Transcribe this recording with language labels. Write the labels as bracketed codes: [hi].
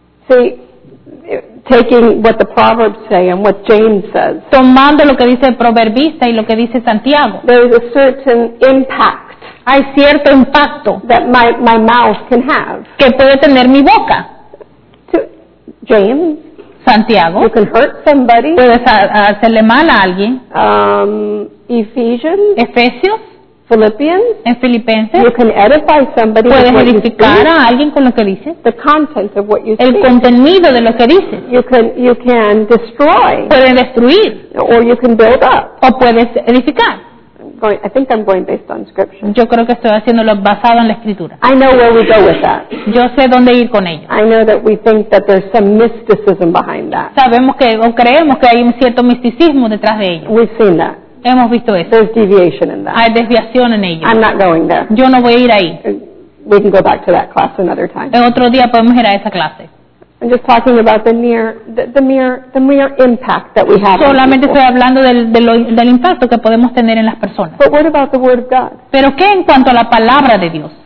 [en] See, taking what the Proverbs say and what James says. [es] Tomando lo que dice el proverbista y lo que dice Santiago. [en] There is a certain impact. [es] Hay cierto impacto. [en] That my mouth can have. [es] Que puede tener mi boca. [en] To James. [es] Santiago. [en] You can hurt somebody. [es] Puedes hacerle mal a alguien. [en] Ephesians. [es] Efesios. [en] Philippians. [es] En Filipenses. [en] You can edify somebody. [es] Puedes edificar a alguien con lo que dices. [en] The content of what you say. [es] El contenido de lo que dices. [en] You can destroy. [es] Puedes destruir. [en] Or you can build up. [es] O puedes edificar. [en] I think I'm going based on scripture. [es] Yo creo que estoy haciéndolo basado en la escritura. [en] I know where we go with that. [es] Yo sé dónde ir con ello. [en] I know that we think that there's some mysticism behind that. [es] Sabemos que o creemos que hay un cierto misticismo detrás de ello. [en] We've seen that. [es] Hemos visto eso. [en] There's deviation in that. [es] Hay desviación en ello. [en] I'm not going there. [es] Yo no voy a ir ahí. [en] We can go back to that class another time. [es] En otro día podemos ir a esa clase. [en] I'm just talking about the mere impact that we have. [es] Solamente [en] on [es] estoy hablando del impacto que podemos tener en las personas. [en] But what about the word of God? [es] Pero qué en cuanto a la palabra de Dios.